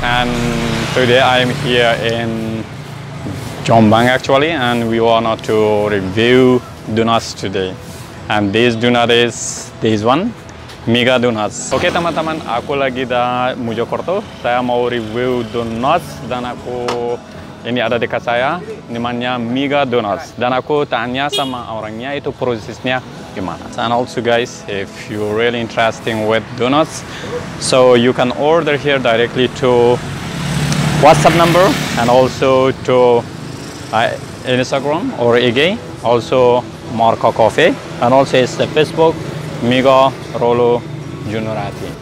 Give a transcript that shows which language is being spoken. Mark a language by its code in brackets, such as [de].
[en] And today I'm here in Jombang actually, and we want to review donuts today. And this donut is this one, Mega Donuts. [id] Okay, teman-teman, aku lagi di Mojokerto. Saya mau review donuts dan aku ini ada dekat saya, namanya Mega Donuts. Dan aku tanya sama orangnya itu prosesnya gimana. [en] And also guys, if you're really interested with donuts, so you can order here directly to WhatsApp number and also to Instagram or IG, also Marco Coffee, and also is the Facebook Mega Rolo Junorati.